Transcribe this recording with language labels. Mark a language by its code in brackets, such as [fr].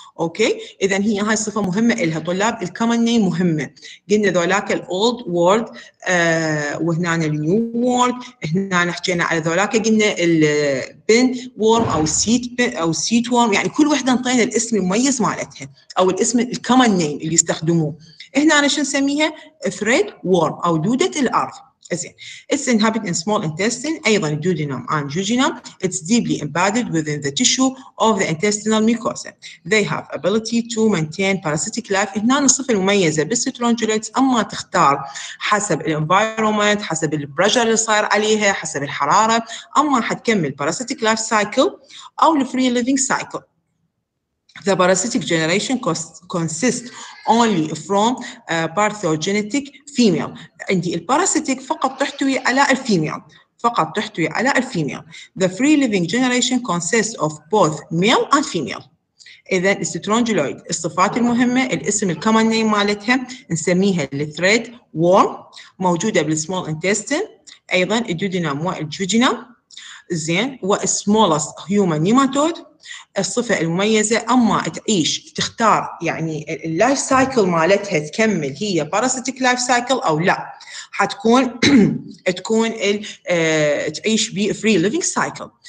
[ar] أوكي، إذا هي هاي صفة مهمة إلها طلاب. الكومن نيم مهمة، قلنا ذولاك الأولد وورد وهنا النيو وورد، هنا نحكينا على ذولاك قلنا البن وورم أو سيت بن أو سيت وورم، يعني كل واحدة نطينا الاسم المميز مالتها أو الاسم الكومن نيم اللي يستخدموه. هنا أنا شو نسميها ثريد وورم أو دودة الأرض. [en] It's inhabited in small intestine, [ar] أيضاً [en] duodenum and jejunum. It's deeply embedded within the tissue of the intestinal mucosa. They have ability to maintain parasitic life. [ar] هنا الصفة المميزة بالسترونجلويدز، أما تختار حسب الانفايرومنت، حسب البرجر اللي صار عليها، حسب الحرارة، أما حتكمل [en] parasitic life cycle [ar] أو [en] free living cycle. The parasitic generation consists only from parthenogenetic female. [ar] عندي الباراسيتيك فقط تحتوي على الفيميل، فقط تحتوي على الفيميل. [en] The free living generation consists of both male and female. [ar] إذا السترونجلويد الصفات المهمة، الاسم الكومن نيم مالتها نسميها الثريد وورم، موجودة بالسمول انتستين، أيضا الديودينام والجوجينام، زين، والسمولست هيومن نيماتود. الصفة المميزة أما تعيش تختار يعني اللايف سايكل مالتها تكمل هي باراسيتيك لايف سايكل أو لا، حتكون تكون تعيش بي فري ليفينج سايكل.